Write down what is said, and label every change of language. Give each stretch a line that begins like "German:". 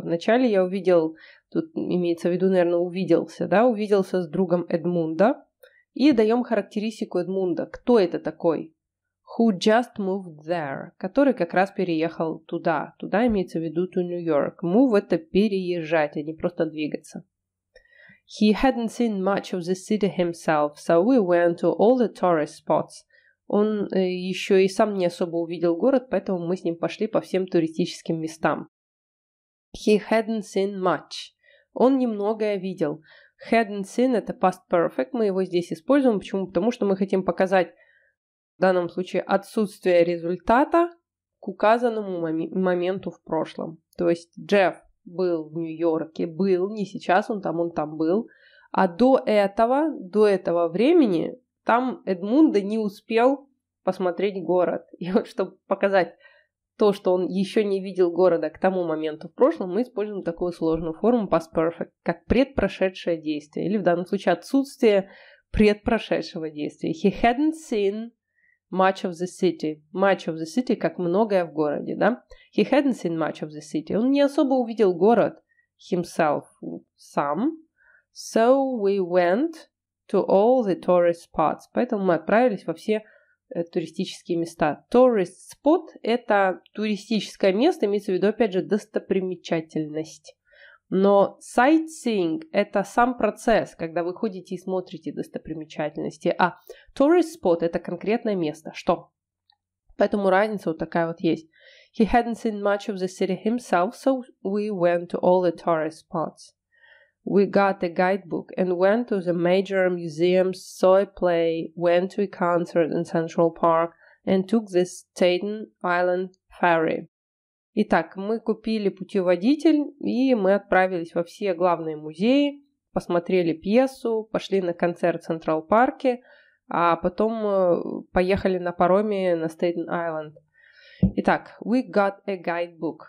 Russian: Вначале я увидел, тут имеется в виду, наверное, увиделся, да? Увиделся с другом Эдмунда. И даем характеристику Эдмунда. Кто это такой?
English: Who just moved there,
Russian: который как раз переехал туда. Туда имеется в виду to New York. Move – это переезжать, а не просто двигаться.
English: He hadn't seen much of the city himself, so we went to all the tourist spots.
Russian: Он еще и сам не особо увидел город, поэтому мы с ним пошли по всем туристическим местам.
English: He hadn't seen much.
Russian: Он немногое видел.
English: Hadn't seen – это past perfect.
Russian: Мы его здесь используем. Почему? Потому что мы хотим показать, в данном случае, отсутствие результата к указанному моменту в прошлом. То есть Джефф был в Нью-Йорке, был, не сейчас он там был. А до этого времени, там Эдмунда не успел посмотреть город. И вот чтобы показать то, что он еще не видел города к тому моменту в прошлом, мы используем такую сложную форму past perfect, как предпрошедшее действие. Или в данном случае отсутствие предпрошедшего действия.
English: He hadn't seen much of the city. Much of the city,
Russian: как многое в городе, да?
English: He hadn't seen much of the city.
Russian: Он не особо увидел город
English: himself, сам. So we went to all the tourist spots.
Russian: Поэтому мы отправились во все туристические места. Tourist spot – это туристическое место, имеется в виду, опять же, достопримечательность. Но sightseeing – это сам процесс, когда вы ходите и смотрите достопримечательности. А tourist spot – это конкретное место. Что? Поэтому разница вот такая вот есть.
English: He hadn't seen much of the city himself, so we went to all the tourist spots. We got a guidebook and went to the major museums, saw a play, went to a concert in Central Park and took the Staten Island ferry.
Russian: Итак, мы купили путеводитель, и мы отправились во все главные музеи, посмотрели пьесу, пошли на концерт в Централ-парке, а потом поехали на пароме на Staten Island.
English: Итак, we got a guidebook.